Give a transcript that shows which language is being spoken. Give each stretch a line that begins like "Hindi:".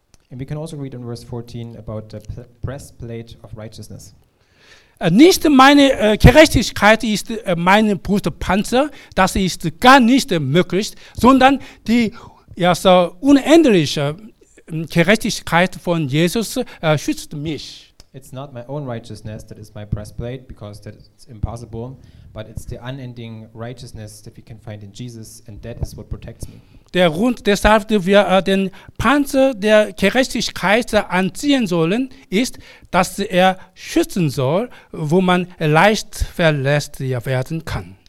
English: And we can also read in verse 14 about the breastplate of righteousness.
German: Nicht meine Gerechtigkeit ist mein Brustpanzer, das ist gar nicht möglich, sondern die unendliche Gerechtigkeit von Jesus schützt mich.
English: It's not my own righteousness that is my breastplate, because that is impossible, but it's the unending righteousness that we can find in Jesus, and that is what protects me.
German: Der Grund, deshalb wir den Panzer der Gerechtigkeit anziehen sollen, ist, dass er schützen soll, wo man leicht verletzt werden kann.